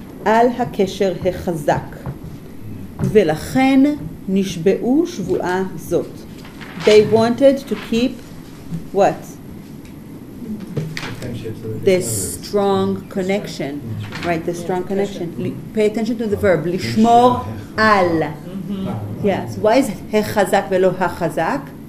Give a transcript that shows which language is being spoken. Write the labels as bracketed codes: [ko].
[he] על הקשר החזק ולכן נשבעו שבועה זאת. [en] They wanted to keep what? The strong connection. Right, the strong connection. Pay attention to the verb. [he] לשמור על. [en] Yes. Why is [he] החזק ולא החזק?